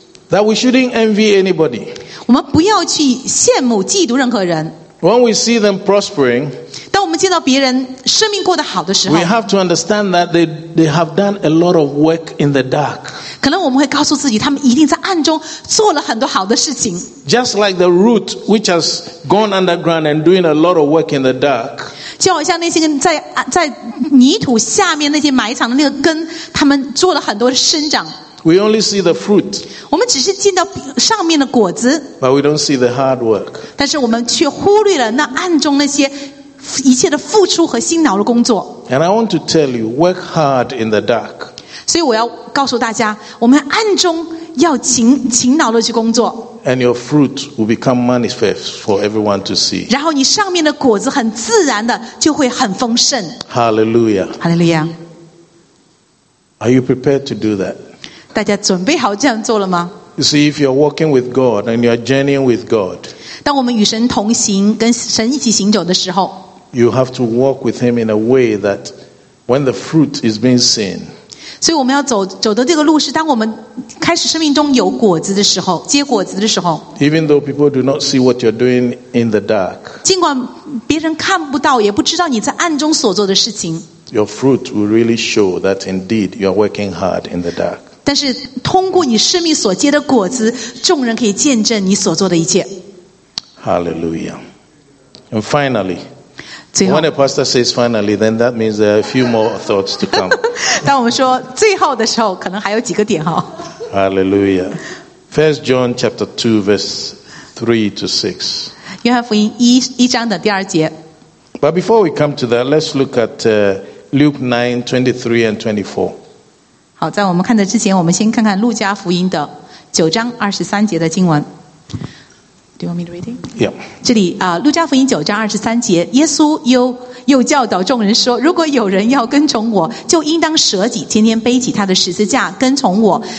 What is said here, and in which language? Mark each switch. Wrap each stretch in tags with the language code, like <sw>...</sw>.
<en>That we shouldn't envy anybody.</en> <zh>我们不要去羡慕嫉妒任何人</zh> <en>When we see them prospering,</en> <zh>当我们见到别人生命过得好的时候</zh> <en>We have to understand that they have done a lot of work in the dark.</en> <zh>可能我们会告诉自己他们一定在暗中做了很多好的事情</zh> <en>Just like the root which has gone underground and doing a lot of work in the dark.</en> <zh>就好像那些在泥土下面那些埋藏的那个根他们做了很多生长</zh> <en>We only see the fruit.</en> <zh>我们只是见到上面的果子</zh> <en>But we don't see the hard work.</en> <zh>但是我们却忽略了那暗中那些一切的付出和辛劳的工作。</zh> <en>And I want to tell you, work hard in the dark.</en> <zh>所以我要告诉大家，我们暗中要勤劳的去工作。</zh> <en>And your fruit will become manifest for everyone to see.</en> <zh>然后你上面的果子很自然的就会很丰盛。</zh> <en>Hallelujah. Hallelujah. Are you prepared to do that?</en> <zh>大家准备好这样做了吗？</zh> <en>You see, if you're walking with God and you're journeying with God.</en> <zh>当我们与神同行跟神一起行走的时候</zh> <en>You have to walk with him in a way that when the fruit is being seen</en> <zh>所以我们要走的这个路是当我们开始生命中有果子的时候结果子的时候</zh> <en>Even though people do not see what you're doing in the dark</en> <zh>尽管别人看不到也不知道你在暗中所做的事情</zh> <en>Your fruit will really show that indeed you're working hard in the dark</en> <zh>但是通过你生命所结的果子众人可以见证你所做的一切</zh> <en>Hallelujah. And finally, when a pastor says finally, then that means there are a few more thoughts to come.</en> <zh>当我们说最后的时候，可能还有几个点哈。</zh> <en>Hallelujah. 1 John chapter 2, verse 3-6.</en> <zh>约翰福音一章的第二节。</zh> <en>But before we come to that, let's look at Luke 9, 23 and 24.</en> <zh>好，在我们看的之前，我们先看看路加福音的9章23节的经文。</zh> <en>Do you want me to read it? Yeah.</en> <zh>这里啊，路加福音九章二十三节，耶稣又教导众人说：“如果有人要跟从我，就应当舍己，天天背起他的十字架跟从我。</zh>